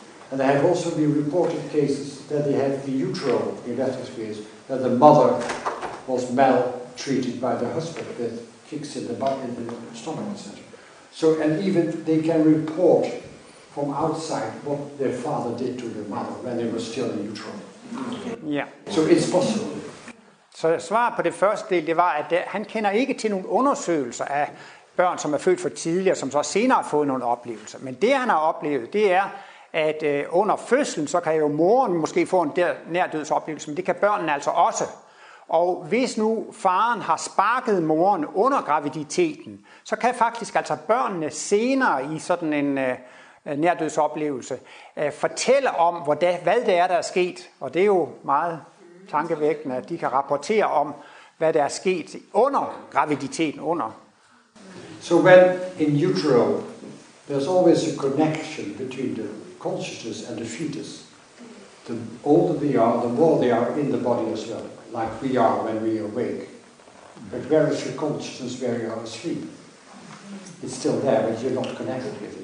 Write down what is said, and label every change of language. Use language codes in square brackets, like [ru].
[en] And there have also been reported cases that they have the utero near-death experience, that the mother was maltreated by the husband with kicks in the butt, in the stomach, etc. So, and even they can report from outside what their father did to their mother when they were still in utero. Yeah. So it's possible. [da] Så svaret på det første del, det var, at han kender ikke til nogle undersøgelser af børn, som er født for tidligt, og som så senere har fået nogle oplevelser. Men det, han har oplevet, det er, at under fødslen, så kan jo moren måske få en nærdødsoplevelse, men det kan børnene altså også. Og hvis nu faren har sparket moren under graviditeten, så kan faktisk altså børnene senere i sådan en nærdødsoplevelse fortælle om, hvad det er, der er sket. Og det er jo meget tankevækkende, at de kan rapportere om, hvad der er sket under graviditeten, under. [en] So when in utero, there's always a connection between the consciousness and the fetus. The older they are, the more they are in the body as well, like we are when we awake. But where is your consciousness where you are asleep? It's still there, but you're not connected with it.